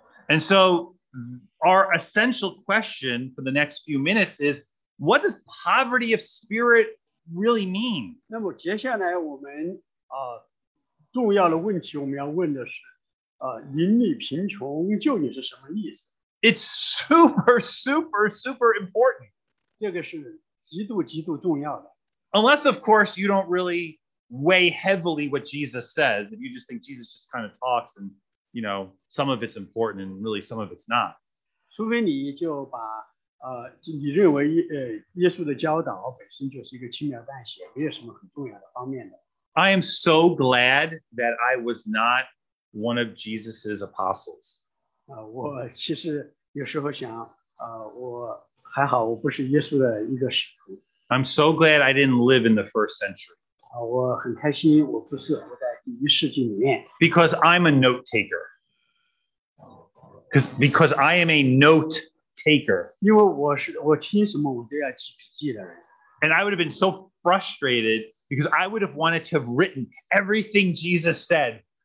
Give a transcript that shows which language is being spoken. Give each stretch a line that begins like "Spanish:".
English: And so our essential question for the next few minutes is, what does poverty of spirit really mean?
Chinese: 那么接下来我们重要的问题我们要问的是，邻里贫穷究竟是什么意思？
English: It's super, super, super important.
Chinese: 这个是极度极度重要的。
English: Unless, of course, you don't really weigh heavily what Jesus says, if you just think Jesus just kind of talks and, you know, some of it's important and really some of it's not.
Chinese: 除非你认为耶稣的教导本身就是一个轻描淡写，没有什么很重要的方面的。
English: I am so glad that I was not one of Jesus's apostles.
Chinese: 我其实有时候想，我还好，我不是耶稣的一个使徒。
English: I'm so glad I didn't live in the first century.
Chinese: 我很开心，我不是我在第一世纪里面。
English: Because I'm a note taker. Because I am a note taker.
Chinese: 因为我是我听什么我都要记笔记的人。
English: And I would have been so frustrated. Because I would have wanted to have written everything Jesus said.